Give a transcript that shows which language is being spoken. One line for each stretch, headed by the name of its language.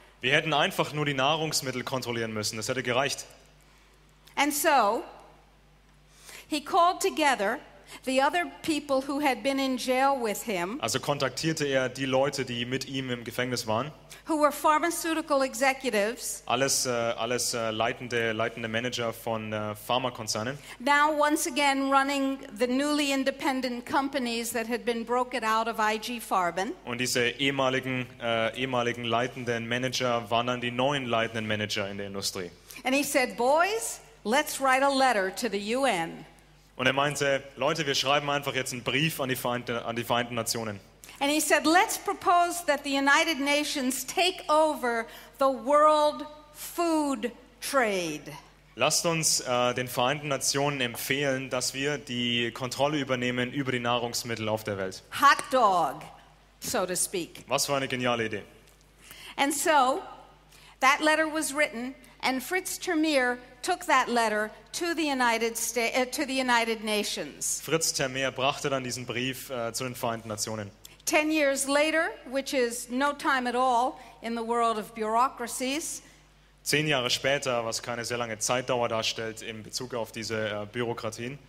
German: Wir hätten einfach nur die Nahrungsmittel kontrollieren müssen. Das hätte gereicht.
English: And so, he called together the other people who had been in jail with him.
German: Also kontaktierte er die Leute, die mit ihm im Gefängnis waren.
English: Who were pharmaceutical executives.
German: Alles leitende Manager von Pharmakonzernen.
English: Now once again running the newly independent companies that had been broken out of IG Farben.
German: Und diese ehemaligen leitenden Manager waren dann die neuen leitenden Manager in der Industrie.
English: And he said, boys, let's write a letter to the UN.
German: Und er meinte, Leute, wir schreiben einfach jetzt einen Brief an die Vereinten Nationen.
English: And he said, let's propose that the United Nations take over the world food trade.
German: Lasst uns den Vereinten Nationen empfehlen, dass wir die Kontrolle übernehmen über die Nahrungsmittel auf der Welt.
English: Hot dog, so to speak.
German: Was für eine geniale Idee.
English: And so, that letter was written, and Fritz Termeer took that letter to the United Nations.
German: Fritz Termeer brachte dann diesen Brief zu den Vereinten Nationen.
English: 10 years later, which is no time at all in the world of bureaucracies.
German: 10 Jahre später, was keine sehr lange Zeitdauer darstellt in Bezug auf diese Bürokratien.